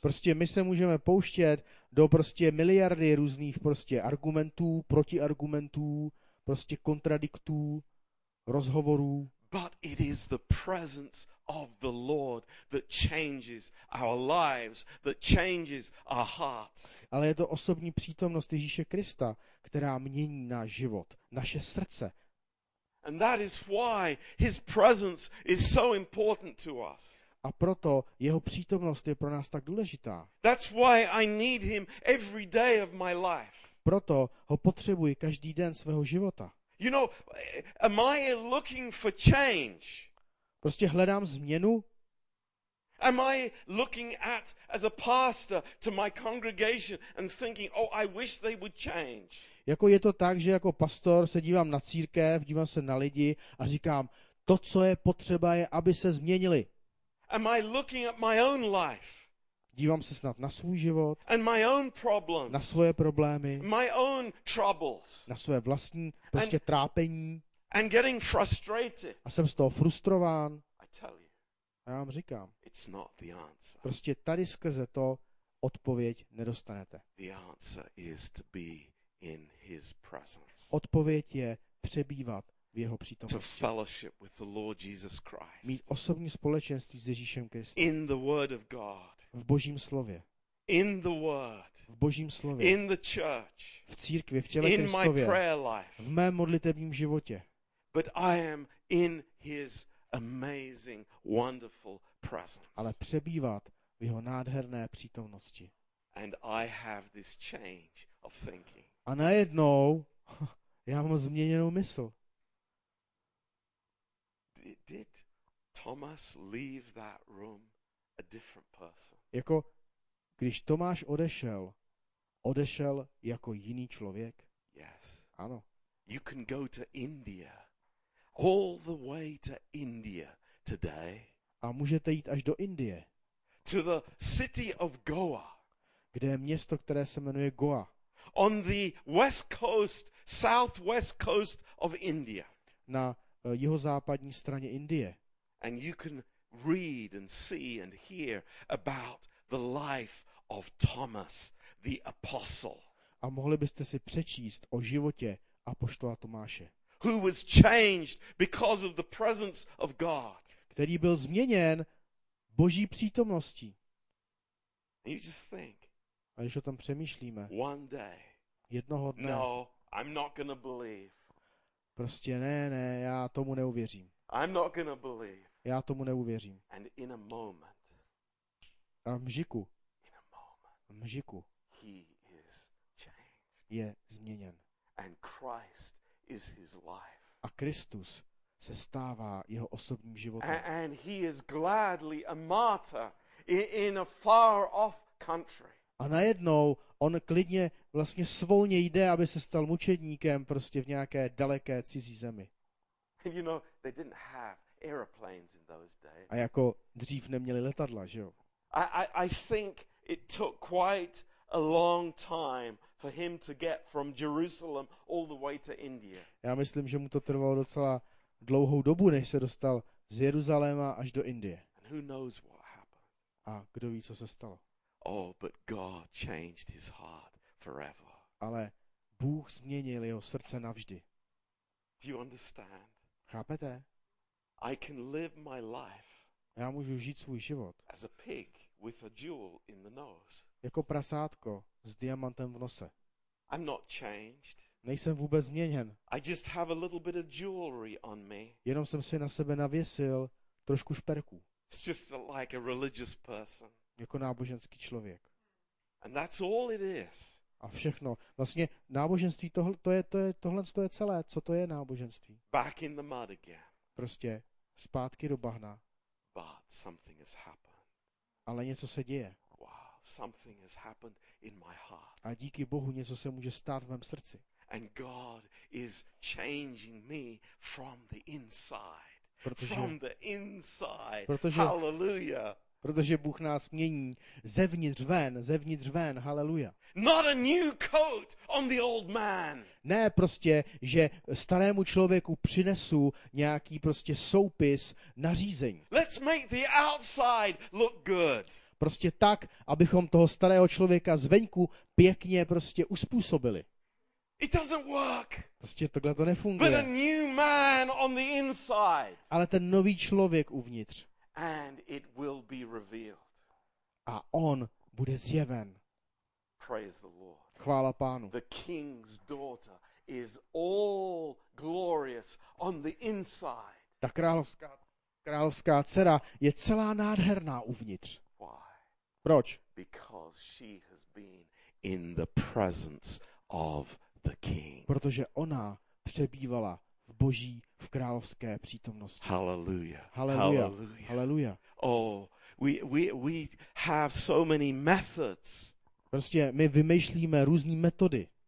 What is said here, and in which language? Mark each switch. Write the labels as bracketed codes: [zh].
[cs] Prostě my se můžeme pouštět do prostě miliardy různých prostě argumentů, protiargumentů, prostě kontradiktů, rozhovorů. [en] But it is the presence of the Lord that changes our lives, that changes our hearts. [cs] Ale je to osobní přítomnost Ježíše Krista, která mění náš život, naše srdce. [en] And that is why his presence is so important to us. [cs] A proto jeho přítomnost je pro nás tak důležitá. [en] That's why I need him every day of my life. [cs] Proto ho potřebuji každý den svého života. [en] You know, am I looking for change? [cs] Prostě hledám změnu? [en] Am I looking at as a pastor to my congregation and thinking, oh, I wish they would change? [cs] Jako je to tak, že jako pastor se dívám na církev, dívám se na lidi a říkám, to, co je potřeba, je, aby se změnili. [en] Am I looking at my own life? [cs] Dívám se snad na svůj život, [en] and my own problems, [cs] na svoje problémy, [en] my own troubles, [cs] na svoje vlastní prostě trápení [en] and getting frustrated. [cs] A jsem z toho frustrován. [en] I tell you, [cs] a já vám říkám, [en] it's not the answer. [cs] Prostě tady skrze to odpověď nedostanete. [en] The answer is to be in his presence. [cs] Odpověď je přebývat v jeho přítomnosti. [en] To fellowship with the Lord Jesus Christ. [cs] Mít osobní společenství s Ježíšem Kristem. [en] In the word of God. [cs] V Božím slově. [en] In the word. [cs] V Božím slově. [en] In the church. [cs] V církvi, v těle Kristově. [en] In my prayer life. [cs] V mém modlitevním životě. [en] But I am in his amazing, wonderful presence. [cs] Ale přebývat v jeho nádherné přítomnosti. [en] And I have this change of thinking. [cs] A najednou já mám změněnou mysl. [en] Did Thomas leave that room? A different person. [cs] Jako když Tomáš odešel, odešel jako jiný člověk? [en] Yes. [cs] Ano. [en] You can go to India. All the way to India today. [cs] A můžete jít až do Indie. [en] To the city of Goa. [cs] Kde je město, které se jmenuje Goa. [en] On the west coast, southwest coast of India. [cs] Na jihozápadní straně Indie. [en] And you can read and see and hear about the life of Thomas the apostle. [cs] A mohli byste si přečíst o životě apoštola Tomáše. [en] Who was changed because of the presence of God. [cs] Který byl změněn Boží přítomností. [en] And you just think. [cs] A když o tom přemýšlíme. [en] One day. [cs] Jednoho dne. [en] No, I'm not gonna believe. [cs] Prostě ne, já tomu neuvěřím. [en] I'm not gonna believe. [cs] Já tomu neuvěřím. [en] And in a moment, [cs] a mžiku, [en] in a moment, [cs] mžiku, [en] he is changed. [cs] Je změněn. [en] And Christ is his life. [cs] A Kristus se stává jeho osobním životem. [en] And he is gladly a martyr in a far off country. [cs] A najednou on klidně vlastně svolně jde, aby se stal mučedníkem prostě v nějaké daleké cizí zemi. [en] You know, they didn't have airplanes in those days. [cs] A jako dřív neměli letadla, že jo? [en] I think it took quite a long time for him to get from Jerusalem all the way to India. [cs] Já myslím, že mu to trvalo docela dlouhou dobu, než se dostal z Jeruzaléma až do Indie. [en] And who knows what happened? [cs] A kdo ví, co se stalo? [en] Oh, but God changed his heart forever. [cs] Ale Bůh změnil jeho srdce navždy. [en] Do you understand? [cs] Chápete? [en] I can live my life. [cs] Já můžu žít svůj život. [en] As a pig with a jewel in the nose. [cs] Jako prasátko s diamantem v nose. [en] I'm not changed. [cs] Nejsem vůbec změněn. [en] I just have a little bit of jewelry on me. [cs] Jenom jsem si na sebe navěsil trošku šperků. [en] It's just like a religious person. [cs] Jako náboženský člověk. [en] And that's all it is. [cs] A všechno. Vlastně náboženství to je celé, co to je náboženství. [en] Back in the mud again. [cs] Prostě zpátky do bahna. [en] But something has happened. [cs] Ale něco se děje. [en] something has happened in my heart. [cs] A díky Bohu něco se může stát v mém srdci. [en] And God is changing me from the inside. Hallelujah. [cs] Protože Bůh nás mění zevnitř ven, haleluja. [en] Not a new coat on the old man. [cs] Ne prostě, že starému člověku přinesu nějaký prostě soupis nařízení. [en] Let's make the outside look good. [cs] Prostě tak, abychom toho starého člověka zvenku pěkně prostě uspůsobili. [en] It doesn't work. [cs] Prostě takhle to nefunguje. [en] But a new man on the inside. [cs] Ale ten nový člověk uvnitř. [en] And it will be revealed. [cs] A on bude zjeven. [en] Praise the Lord. [cs] Chvála Pánu. [en] The king's daughter is all glorious on the inside. [cs] Ta královská dcera je celá nádherná uvnitř. [en] Why? [cs] Proč? [en] Because she has been in the presence of the king. [cs] Protože ona přebývala v Boží, v královské přítomnosti. [en] Hallelujah. Hallelujah. Hallelujah. Oh, we have so many methods. [cs] Prostě my vymýšlíme různé metody.